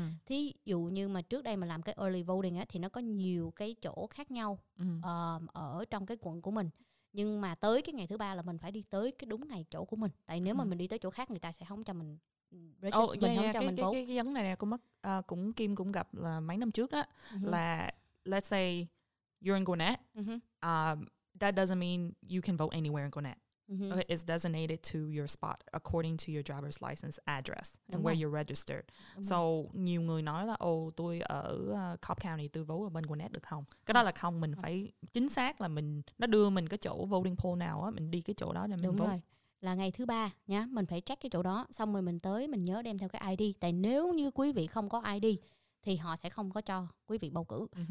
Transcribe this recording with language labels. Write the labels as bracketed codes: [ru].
[vi] Thí dụ như mà trước đây mình làm cái early voting á, thì nó có nhiều cái chỗ khác nhau ở trong cái quận của mình. Nhưng mà tới cái ngày thứ ba là mình phải đi tới cái đúng ngày chỗ của mình. Tại nếu mà mình đi tới chỗ khác người ta sẽ không cho mình register, cho mình vote. Cái vấn này nè, cũng Kim cũng gặp là mấy năm trước á, là [en] let's say you're in Gwinnett. That doesn't mean you can vote anywhere in Gwinnett. Okay, it's designated to your spot according to your driver's license address and where you're registered. [vi] So, nhiều người nói là, tôi ở Cobb County, tôi vote ở bên Gwinnett được không? Cái đó là không, mình phải chính xác là mình, nó đưa mình cái chỗ voting poll nào á, mình đi cái chỗ đó để mình vote. Là ngày thứ ba nhá, mình phải check cái chỗ đó, xong rồi mình tới, mình nhớ đem theo cái ID. Tại nếu như quý vị không có ID, thì họ sẽ không có cho quý vị bầu cử.